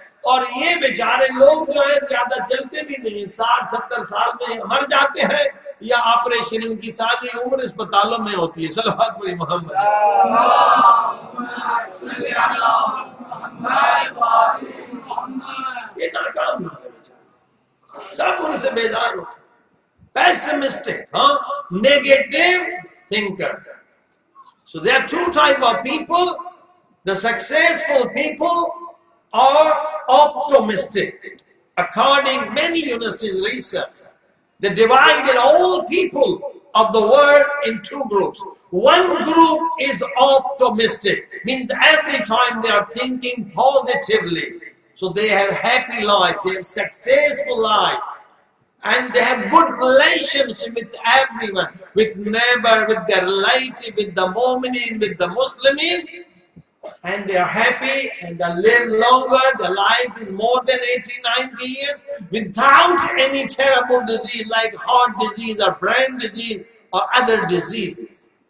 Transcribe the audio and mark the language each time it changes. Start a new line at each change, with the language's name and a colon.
Urdu: اور یہ بیچارے لوگ جو ہیں زیادہ چلتے بھی نہیں، 60-70 سال میں مر جاتے ہیں، یا آپریشن ان کی ساری عمر اسپتالوں میں ہوتی ہے.
Arabic: صلی اللہ علیہ وسلم.
Urdu: یہ ناکام لوگ ہیں بیچارے، سب ان سے بیزار ہوتے ہیں.
English: Pessimistic, negative thinker. So they are two type of people, the successful people اور optimistic. According many universities research, they divide all people of the world in two groups. One group is optimistic, means every time they are thinking positively, so they have happy life, they have successful life. And they have good relationship with everyone, with neighbor, with their lady, with the mu'minin, with the muslimin. And they are happy and they live longer. Their life is more than 80, 90 years without any terrible disease like heart disease or brain disease or other diseases.